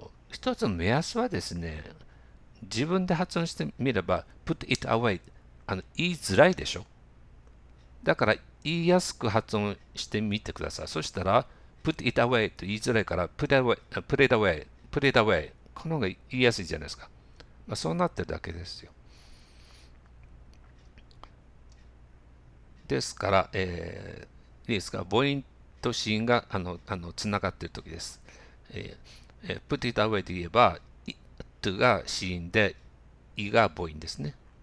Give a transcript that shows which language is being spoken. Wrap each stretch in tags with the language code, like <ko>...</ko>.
<ja>一つの目安はですね、自分で発音してみれば Put it away、言いづらいでしょ。だから言いやすく発音してみてください。</ja> <en>そしたら、 put it away と言いづらいから、 put it away、put it away、put it away。</en> <ja>この方が言いやすいじゃないですか。まあ、そうなってるだけですよ。ですから、いいですか、母音と子音がつながっているときです。 put it away で言えば、it が子音で、いが母音ですね。</ja>